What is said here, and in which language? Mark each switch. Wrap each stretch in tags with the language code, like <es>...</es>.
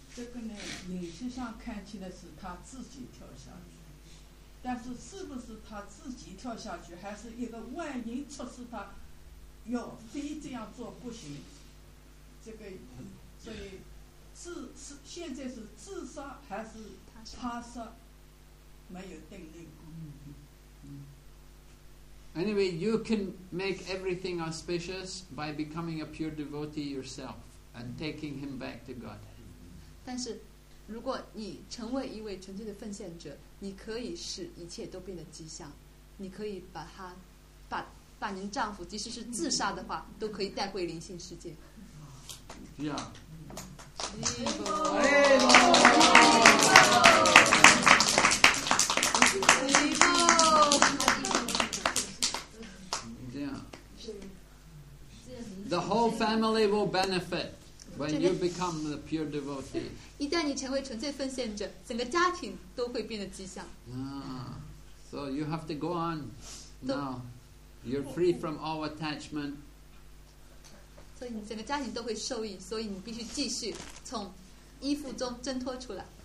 <zh>这个呢，影视上看起来是他自己跳下去，但是是不是他自己跳下去，还是一个万一促使他要非这样做不行？这个，所以是现在是自杀还是他杀，没有定论。</zh> <en>Anyway, you can make everything auspicious by becoming a pure devotee yourself and taking him back to God.</en> <zh>但是如果你成为一位纯粹的奉献者，你可以使一切都变得吉祥，你可以把他把您丈夫即使是自杀的话都可以带回灵性世界。这样</zh> <en>The whole family will benefit when you become the pure devotee.</en> <zh>一旦你成为纯粹奉献者，整个家庭都会变得吉祥。</zh> <en>So you have to go on now. You're free from all attachment.</en> <zh>所以你整个家庭都会受益，所以你必须继续从依附中挣脱出来。</zh>